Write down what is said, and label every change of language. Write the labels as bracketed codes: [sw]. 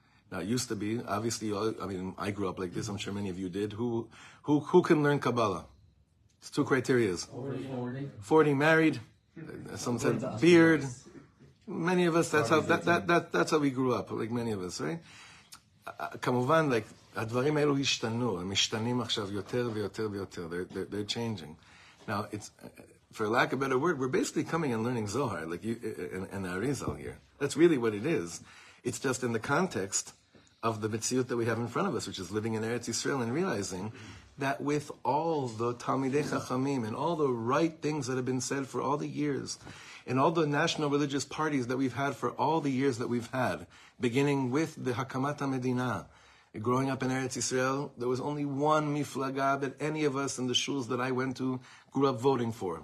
[en] Now, it used to be, obviously, I grew up like this. I'm sure many of you did. Who can learn Kabbalah? It's two criteria. 40 married, some said beard. Many of us, that's how we grew up, like many of us, right? [he] Kamuvan, like, הדברים האלו השתנו, הם משתנים עכשיו יותר ויותר ויותר. [en] They're changing. Now, it's, for lack of a better word, we're basically coming and learning Zohar, like you, and Arizal here. That's really what it is. It's just in the context of the Mitziyut that we have in front of us, which is living in Eretz Yisrael and realizing that with all the Talmidei Chachamim and all the right things that have been said for all the years and all the national religious parties that we've had for all the years that we've had, beginning with the Hakamat HaMedina, growing up in Eretz Yisrael, there was only one miflaga that any of us in the shuls that I went to grew up voting for.